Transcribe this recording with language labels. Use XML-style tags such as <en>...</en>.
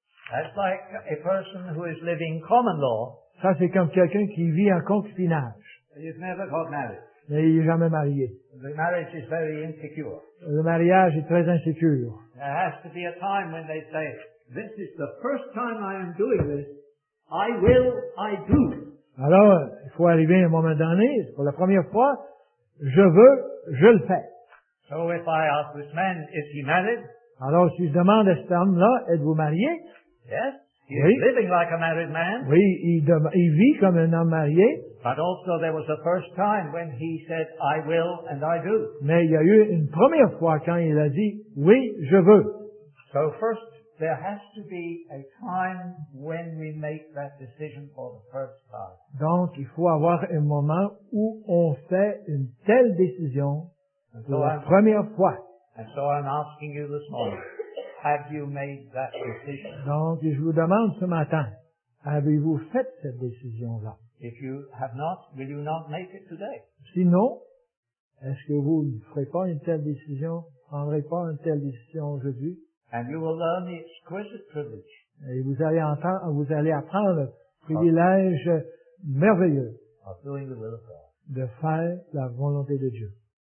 <en>That's like a person who is living common law.</en> <fr>Ça, c'est comme quelqu'un qui vit en concubinage.</fr> <en>He's never got married.</en> <fr>Mais il n'est jamais marié.</fr> <en>The marriage is very insecure.</en> <fr>Le mariage est très insécure.</fr> <en>There has to be a time when they say, this is the first time I am doing this, I will, I do.</en> <fr>Alors, il faut arriver à un moment donné, pour la première fois, je veux, je le fais.</fr> <en>So if I ask this man, is he married?</en> <fr>Alors, si je demande à cet homme-là, êtes-vous marié?</fr> <en>Yes, he</en> <fr>oui.</fr> <en>Is living like a married man.</en> <fr>Oui, il vit comme un homme marié.</fr> <en>But also there was a first time when he said, I will and I do.</en> <fr>Mais il y a eu une première fois quand il a dit, oui, je veux.</fr> <en>So first, there has to be a time when we make that decision for the first time.</en> <fr>Donc, il faut avoir un moment où on fait une telle décision pour la première fois.</fr> <en>And so I'm asking you this morning. Have you made that decision?</en> <fr>Donc, je vous demande ce matin, avez-vous fait cette décision-là?</fr> <en>If you have not, will you not make it today?</en> <fr>Sinon, est-ce que vous ne ferez pas une telle décision, ne prendrez pas une telle décision aujourd'hui?</fr> <en>And you will learn the exquisite privilege.</en> <fr>Et vous allez apprendre le privilège</fr> <en>of</en> <fr>merveilleux</fr> <en>of doing the will of God.</en> <fr>De faire la volonté de Dieu.</fr>